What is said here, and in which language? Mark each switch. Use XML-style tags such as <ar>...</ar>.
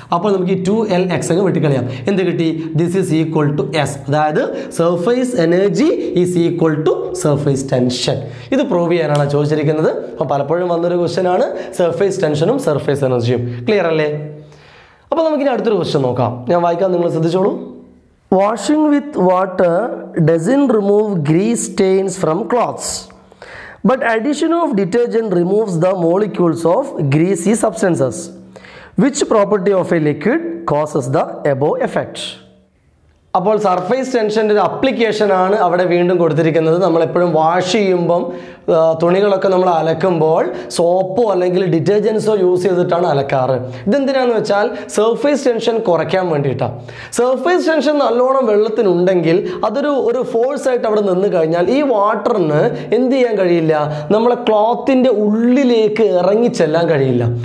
<ml>അപ്പോൾ നമുക്ക് ഈ ടു എൽ എക്സ് അങ്ങ് വെട്ടിക്കളയാം. എന്ത് കിട്ടി,</ml> <en>This is equal to s.</en> <ml>അതായത്</ml> <en>Surface energy is equal to surface tension.</en> <ml>ഇത് പ്രൂവ് ചെയ്യാനാണ് ചോദിച്ചിരിക്കുന്നത്. അപ്പോൾ പലപ്പോഴും വന്നൊരു ക്വസ്റ്റ്യൻ ആണ് സർഫേസ് ടെൻഷനും സർഫേസ് എനർജിയും. ക്ലിയർ അല്ലേ? അപ്പോൾ നമുക്കിനി അടുത്തൊരു ക്വസ്റ്റ്യൻ നോക്കാം, ഞാൻ വായിക്കാൻ നിങ്ങൾ ശ്രദ്ധിച്ചോളൂ.</ml> <en>Washing with water doesn't remove grease stains from cloths, but addition of detergent removes the molecules of greasy substances. Which property of a liquid causes the above effect?</en> <ml>അപ്പോൾ സർഫേസ് ടെൻഷൻ്റെ ഒരു അപ്ലിക്കേഷനാണ് അവിടെ വീണ്ടും കൊടുത്തിരിക്കുന്നത്. നമ്മളെപ്പോഴും വാഷ് ചെയ്യുമ്പം തുണികളൊക്കെ നമ്മൾ അലക്കുമ്പോൾ സോപ്പോ അല്ലെങ്കിൽ ഡിറ്റർജൻസോ യൂസ് ചെയ്തിട്ടാണ് അലക്കാറ്. ഇതെന്തിനാന്ന് വെച്ചാൽ സർഫേസ് ടെൻഷൻ കുറയ്ക്കാൻ വേണ്ടിയിട്ടാണ്. സർഫേസ് ടെൻഷൻ നല്ലോണം വെള്ളത്തിനുണ്ടെങ്കിൽ അതൊരു ഒരു ഫോഴ്സായിട്ട് അവിടെ നിന്ന് കഴിഞ്ഞാൽ ഈ വാട്ടറിന് എന്ത് ചെയ്യാൻ കഴിയില്ല, നമ്മളെ ക്ലോത്തിൻ്റെ ഉള്ളിലേക്ക് ഇറങ്ങിച്ചെല്ലാൻ കഴിയില്ല.</ml>